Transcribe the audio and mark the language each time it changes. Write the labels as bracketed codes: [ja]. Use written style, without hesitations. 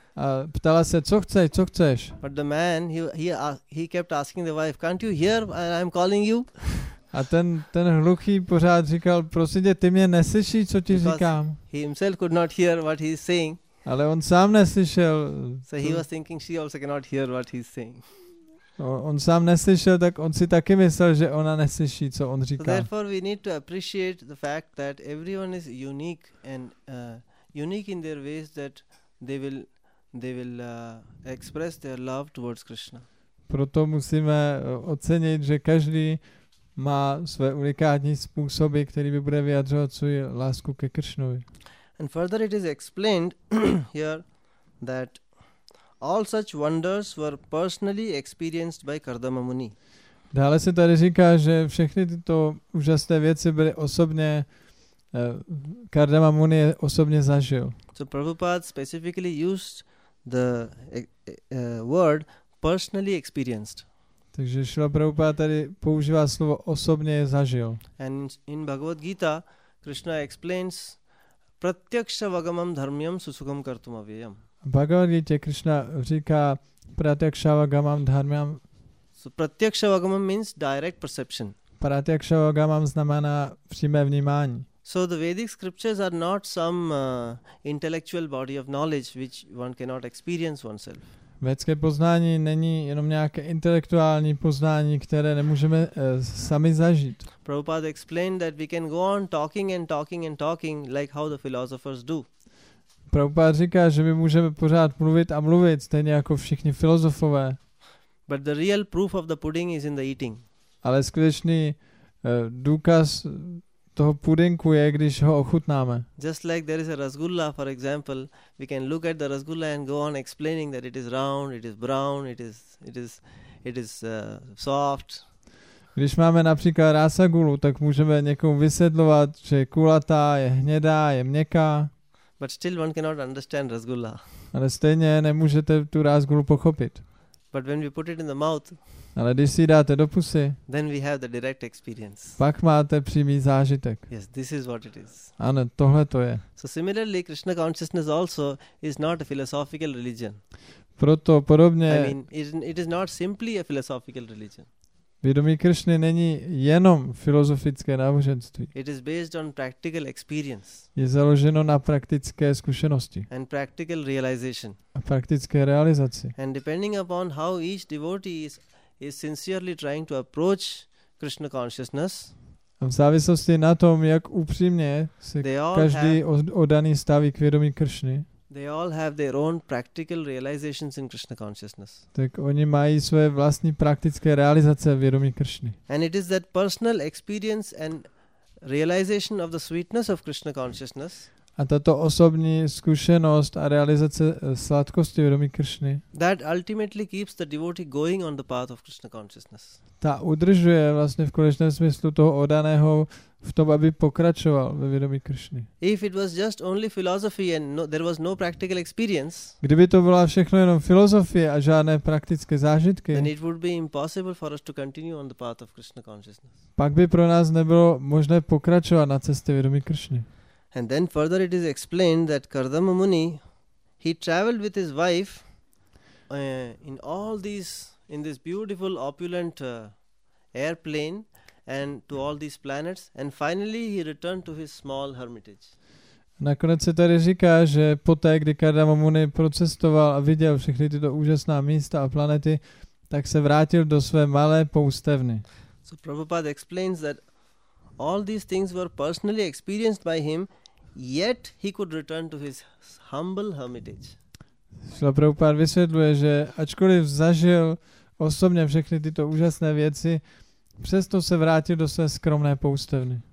[cs] A ptala se, co chceš, co chceš? [en] But the man, he kept asking the wife, can't you hear, I'm calling you? [cs] A ten hluchý pořád říkal, prosím tě, ty mě neslyšíš, co ti [en] because [cs] říkám. [en] He himself could not hear what he's saying. [cs] Ale on sám neslyšel. [en] So he was thinking she also cannot hear what he's saying. [cs] On sám neslyšel, tak on si taky myslel, že ona neslyší, co on říká. [en] So therefore we need to appreciate the fact that everyone is unique and unique in their ways that they will express their love towards Krishna. [cs] Proto musíme ocenit, že každý má své unikátní způsoby, který by bude vyjadřovat svou lásku ke Kršnovi. [en] And further it is explained here that all such wonders were personally experienced by Kardama Muni. [cs] Dále se tady říká, že všechny tyto úžasné věci byly osobně Kardama Muni osobně zažil. [en] So Prabhupada specifically used the word personally experienced. [cs] Takže Šrila Prabhupada tady používá slovo osobně zažil. [en] And in Bhagavad Gita, Krishna explains [sa] pratyaksha vagamam dharmyam susukam kartum avyayam. [cs] Bhagavad Gita Krishna říká [sa] pratyaksha vagamam dharmyam. [en] So pratyaksha vagamam means direct perception. [cs] Pratyaksha vagamam znamená přímé vnímání. [en] So the Vedic scriptures are not some intellectual body of knowledge which one cannot experience oneself. [cs] Vědecké poznání není jenom nějaké intelektuální poznání, které nemůžeme sami zažít. [en] Prabhupada explained that we can go on talking and talking and talking like how the philosophers do. [cs] Prabhupada říká, že my můžeme pořád mluvit a mluvit, stejně jako všichni filozofové. [en] But the real proof of the pudding is in the eating. [cs] Ale skutečný důkaz toho pudinku je, když ho ochutnáme. [en] Just like there is a rasgulla, for example, we can look at the rasgulla and go on explaining that it is round, it is brown, it is soft. [cs] Když máme například rasagulu, tak můžeme někomu vysvětlovat, že je kulatá, je hnědá, je měkká. [en] But still one cannot understand rasgulla. [cs] Ale stejně nemůžete tu rasgulu pochopit. [en] But when we put it in the mouth, [cs] ale když si dáte do pusy, [en] then we have the direct experience. [cs] Pak máte přímý zážitek. [en] Yes, this is what it is. [cs] Ano, tohle to je. [en] So similarly, Krishna consciousness also is not a philosophical religion. [cs] Proto podobně. [en] I mean, it is not simply a philosophical religion. [cs] Vědomí Krishny není jenom filozofické náboženství. [en] It is based on practical experience. [cs] Je založeno na praktické zkušenosti. [en] And practical realization. [cs] A praktické realizaci. [en] And depending upon how each devotee is sincerely trying to approach Krishna consciousness. [cs] V závislosti na tom, jak upřímně se každý oddaný staví k vědomí Kršny. [en] They all have their own practical realizations in Krishna consciousness. [cs] Tak oni mají své vlastní praktické realizace vědomí Kršny. [en] And it is that personal experience and realization of the sweetness of Krishna consciousness. [cs] A tato osobní zkušenost a realizace sladkosti vědomí Kršny. [en] That ultimately keeps the devotee going on the path of Krishna consciousness. [cs] Ta udržuje vlastně v konečném smyslu toho oddaného v tom, aby pokračoval ve vědomí Kršny. [en] If it was just only philosophy and there was no practical experience. [cs] Kdyby to byla všechno jenom filozofie a žádné praktické zážitky. [en] Then it would be impossible for us to continue on the path of Krishna consciousness. [cs] Pak by pro nás nebylo možné pokračovat na cestě vědomí Kršny. [en] And then further it is explained that Kardama Muni, he traveled with his wife in this beautiful opulent airplane and to all these planets and finally he returned to his small hermitage. [cs] Nakonec se tady říká, že poté, kdy Kardama Muni procestoval a viděl všechny tyto úžasná místa a planety, tak se vrátil do své malé poustevny. [en] So Prabhupada explains that all these things were personally experienced by him, yet he could return to his humble hermitage. [cs] Srila Prabhupada vysvětluje, že ačkoliv zažil osobně všechny tyto úžasné věci, přesto se vrátil do své skromné poustevny.